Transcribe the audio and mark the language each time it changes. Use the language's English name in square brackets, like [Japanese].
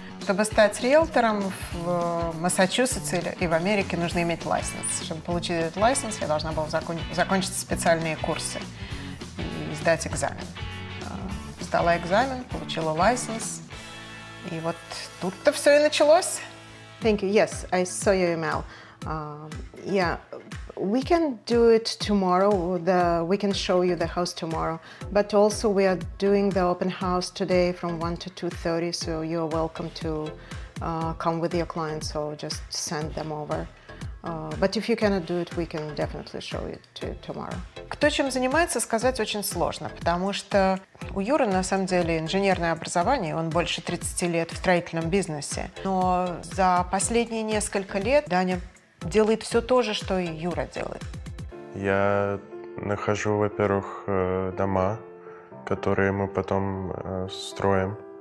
[Russian] Чтобы стать риэлтором в Массачусетсе и в Америке, нужно иметь лайсенс. Чтобы получить этот лайсенс, я должна была закончить специальные курсы и сдать экзамен. Сдала экзамен, получила лайсенс, и вот тут-то все и началось. [English] Thank you. Yes, I saw your email. Yeah, we can do it tomorrow. We can show you the house tomorrow. But also we are doing the open house today from 1 to 2:30, so you're welcome to come with your clients, so just send them over. But if you cannot do it, we can definitely show it to you tomorrow. [Russian] Кто чем занимается, сказать очень сложно, потому что у Юры на самом деле инженерное образование, он больше 30 лет в строительном бизнесе. Но за последние несколько лет Даня делает все то же, что и Юра делает. Я нахожу, во-первых, дома, которые мы потом строим.